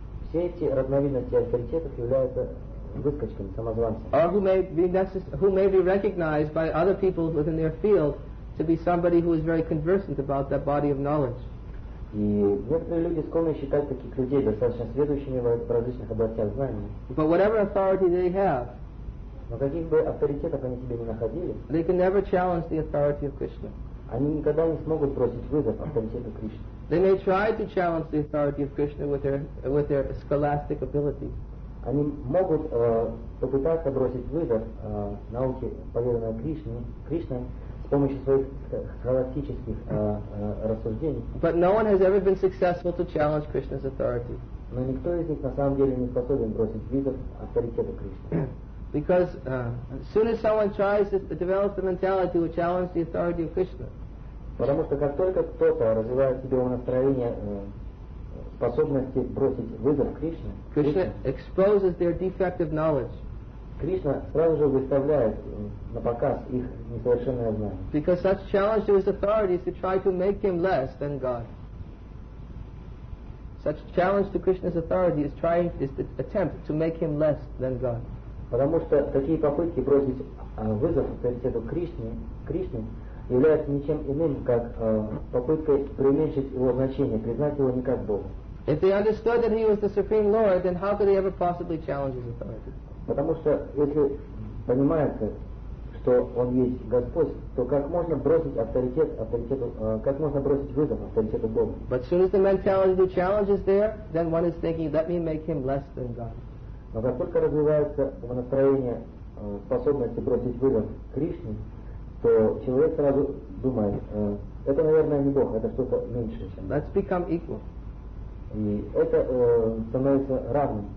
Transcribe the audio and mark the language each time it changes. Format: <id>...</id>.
<ru>Все эти разновидности авторитетов являются выскочками, самозванцами.</ru> <en>Or who may be recognized by other people within their field to be somebody who is very conversant about that body of knowledge.</en> <ru>И некоторые люди склонны считать таких людей достаточно сведущими в различных областях знаний.</ru> <en>But whatever authority they have,</en> <ru>но каких бы авторитетов они себе не находили,</ru> <en>they can never challenge the authority of Krishna.</en> <ru>Они никогда не смогут бросить вызов авторитету Кришны.</ru> <en>They may try to challenge the authority of Krishna with their scholastic ability.</en> <ru>Они могут попытаться бросить вызов науке, поверенной Кришне, с помощью своих схоластических рассуждений.</ru> <en>But no one has ever been successful to challenge Krishna's authority.</en> <ru>Но никто из них на самом деле не способен бросить вызов авторитету Кришны.</ru> <en>Because as soon as someone tries to develop the mentality to challenge the authority of Krishna.</en> <ru>Потому что как только кто-то развивает в себе настроение способности бросить вызов Кришне,</ru> <en>Krishna exposes their defective knowledge.</en> <ru>Кришна сразу же выставляет на показ их несовершенное знание.</ru> <en>Because such challenge to his authority is to try to make him less than God. Such challenge to Krishna's authority is the attempt to make him less than God.</en> <ru>Потому что такие попытки бросить вызов авторитету Кришне являются ничем иным, как попыткой преуменьшить его значение, признать его не как Бога.</ru> <en>If they understood that he was the Supreme Lord, then how could they ever possibly challenge his authority?</en> <ru>Потому что если понимается, что он есть Господь, то как можно бросить вызов авторитету Бога?</ru> <en>But as soon as the mentality to challenge is there, then one is thinking, let me make him less than God.</en> <ru>Но как только развивается в настроении способности бросить вызов Кришне, то человек сразу думает, это, наверное, не Бог, это что-то меньшее, чем.</ru> <en>Let's become equal.</en> <ru>И это становится равным.</ru>